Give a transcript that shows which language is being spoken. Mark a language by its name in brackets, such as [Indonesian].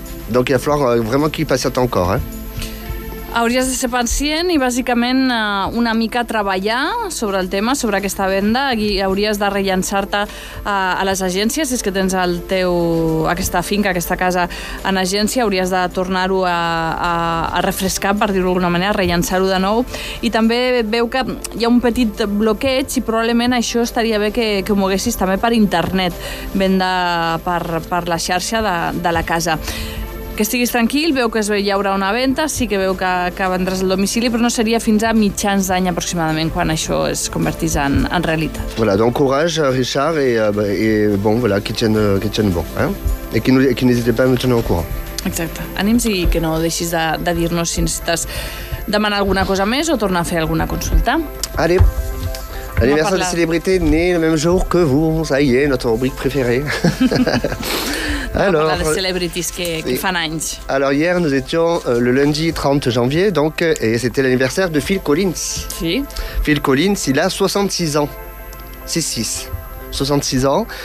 [French] Donc il va falloir vraiment qu'il patiente encore. Hein. [Catalan] Hauries de ser pacient i bàsicament una mica treballar sobre el tema, sobre aquesta venda. I hauries de rellançar-te a les agències, si és que tens el teu, aquesta finca, aquesta casa en agència, hauries de tornar-ho a refrescar, per dir-ho d'alguna manera, rellançar-ho de nou. I també veu que hi ha un petit bloqueig i probablement això estaria bé que ho moguessis també per internet, venda per la xarxa de la casa. Que estiguis tranquil, veu que hi haurà una venda, sí que veu que vendràs el domicili, però no seria fins a mitjans d'any aproximadament quan això es convertís en realitat. [French] Voilà, donc courage, Richard, et bon, voilà, qui tienne bon, hein? Et qui n'hésitez pas à me tenir au courant. [Catalan] Exacte. Ànims i que no deixis de dir-nos si necessites demanar alguna cosa més o tornar a fer alguna consulta. [French] Allez. L'anniversaire des célébrités né le même jour que vous. Ça y est, notre rubrique préférée. Alors, les célébrités qui font anys. Alors hier, nous étions le lundi 30 janvier, donc, et c'était l'anniversaire de Phil Collins. Si. Phil Collins, il a 66 ans. 6-6. 66 ans.